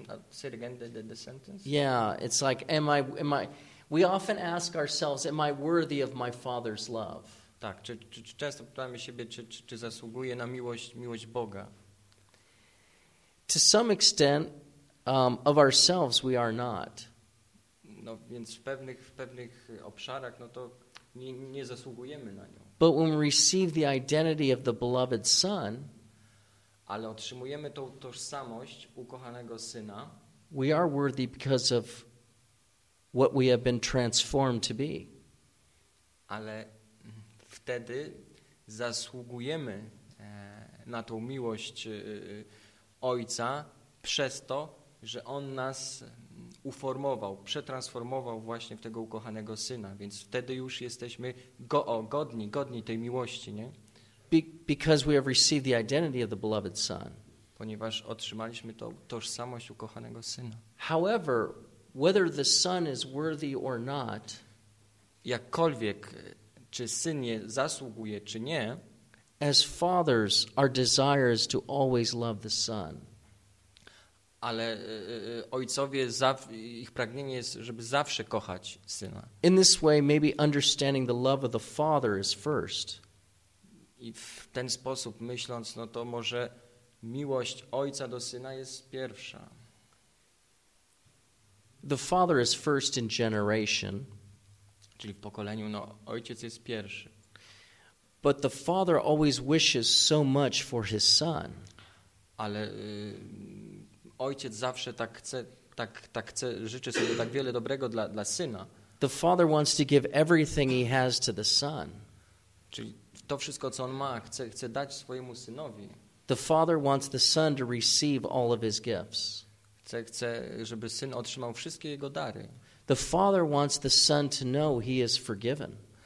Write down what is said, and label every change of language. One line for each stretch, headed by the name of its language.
English: Say it again, the sentence. Yeah, it's like, am I, we often ask ourselves, am I worthy of my Father's love?
Polish: Tak, czy często pytamy siebie, czy zasługuję na miłość Boga?
English: To some extent, of ourselves, we are not.
Polish: No, więc w pewnych obszarach, no to nie zasługujemy na nią.
English: But when we receive the identity of the beloved Son,
Polish: ale otrzymujemy tą tożsamość ukochanego Syna,
English: we are worthy because of what we have been transformed to be.
Polish: Ale wtedy zasługujemy na tą miłość Ojca przez to, że On nas uformował, przetransformował właśnie w tego ukochanego Syna. Więc wtedy już jesteśmy godni tej miłości, nie?
English: Because we have received the identity of the beloved Son.
Polish: Ponieważ otrzymaliśmy tożsamość ukochanego Syna.
English: However, whether the Son is worthy or not,
Polish: jakkolwiek, czy Syn je zasługuje, czy nie,
English: as fathers, our desire is to always love the Son.
Polish: Ale ojcowie, ich pragnienie jest, żeby zawsze kochać Syna.
English: In this way, maybe understanding the love of the Father is first.
Polish: I w ten sposób myśląc, no to może miłość Ojca do Syna jest pierwsza.
English: The Father is first in generation.
Polish: Czyli w pokoleniu, no Ojciec jest pierwszy.
English: But the Father always wishes so much for His Son.
Polish: Ale Ojciec zawsze tak chce, życzy sobie tak wiele dobrego dla Syna.
English: The Father wants to give everything He has to the Son.
Polish: Czyli to wszystko, co On ma, chce dać swojemu Synowi.
English: The Father wants the Son to receive all of His gifts.
Polish: Chce, żeby Syn otrzymał wszystkie Jego dary.
English: The Father wants the Son to know He is forgiven.